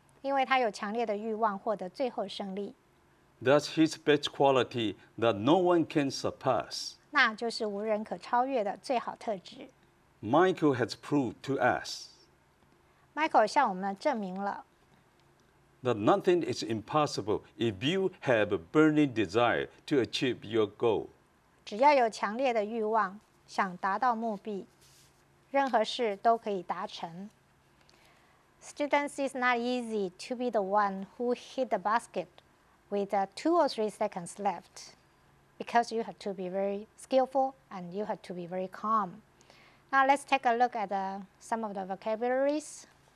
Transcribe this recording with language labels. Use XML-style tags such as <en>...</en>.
<zh>因为他有强烈的欲望获得最后胜利。</zh> <en>That's his best quality that no one can surpass.</en> <zh>那就是无人可超越的最好特质。</zh> <en>Michael has proved to us.</en> <zh>Michael 向我们证明了。</zh> <en>That nothing is impossible if you have a burning desire to achieve your goal.</en> <zh>只要有强烈的欲望，想达到目的，任何事都可以达成。</zh> <en>Students, it's not easy to be the one who hit the basket. With 2 or 3 seconds left, because you have to be very skillful and you have to be very calm. Now let's take a look at some of the vocabularies.</en>